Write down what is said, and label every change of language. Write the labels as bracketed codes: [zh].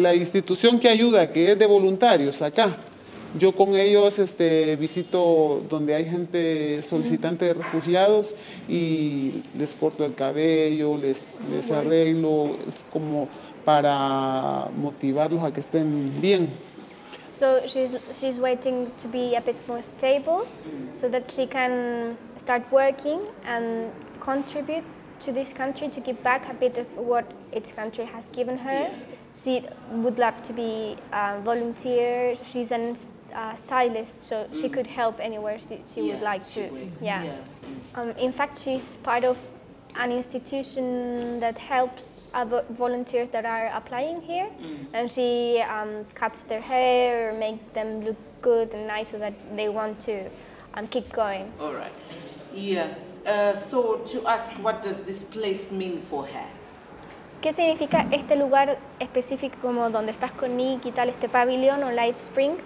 [es] la institución que ayuda, que es de voluntarios acá. Yo con ellos visito donde hay gente solicitante de refugiados y les corto el cabello, les arreglo, es como para motivarlos a que estén bien. [en] So she's waiting to be a bit more stable so that she can start working and contribute to this country to give back a bit of what its country has given her. She would love to be a volunteer. She's an stylist, so she could help anywhere she would like she to. Works. Yeah. In fact, she's part of an institution that helps volunteers that are applying here, and she cuts their hair or make them look good and nice so that they want to keep going. All right. Yeah. So to ask, what does this place mean for her? [es] ¿Qué significa este lugar específico como donde estás con Nick y tal, este pabellón o Life Spring?